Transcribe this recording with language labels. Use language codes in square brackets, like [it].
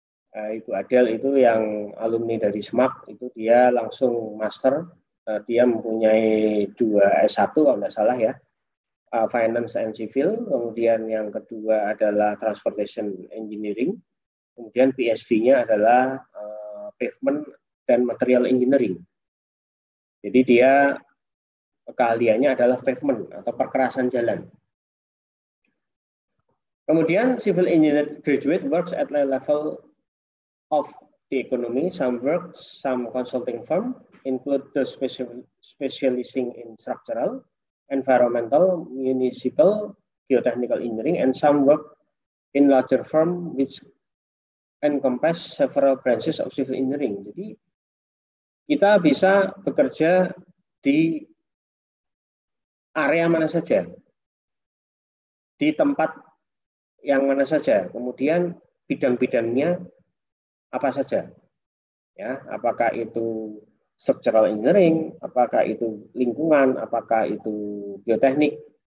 [id] Ibu Adele itu yang alumni dari SMAK, itu dia langsung master, dia mempunyai dua S1 kalau nggak salah ya, Finance and Civil, kemudian yang kedua adalah Transportation Engineering, kemudian PhD-nya adalah Pavement dan Material Engineering. Jadi dia keahliannya adalah pavement atau perkerasan jalan. Kemudian [en] Civil Engineer Graduate works at level of the economy, some work, some consulting firm, include the specializing in structural, environmental, municipal, geotechnical engineering, and some work in larger firm which encompass several branches of civil engineering. [id] Jadi kita bisa bekerja di area mana saja, di tempat yang mana saja, kemudian bidang-bidangnya apa saja, ya, apakah itu structural engineering, apakah itu lingkungan, apakah itu geoteknik.